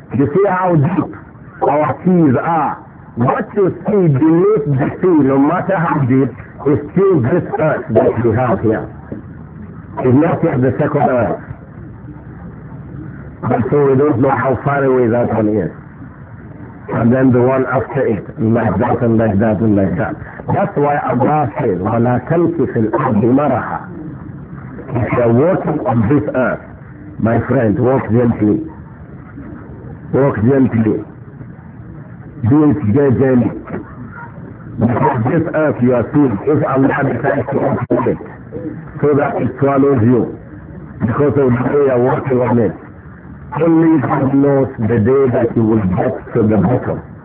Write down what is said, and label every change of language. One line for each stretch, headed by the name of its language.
English: You see how deep our seas are. What you see beneath the sea, no matter how deep, is still this earth that we have here. It's not yet the second earth. And so we don't know how far away that one is. And then the one after it, like that and like that and like that. That's why Allah says,
Arabic: وَلَا تَمْسِ فِي الْأَرْضِ مَرَحًا.
English: If you are walking on this earth, my friend, walk gently. Walk gently. Do it gently. Because this earth you are seeing, if Allah decides to open it, so that it swallows you, because of the day you are walking on it, only God knows the day that you will get to the bottom.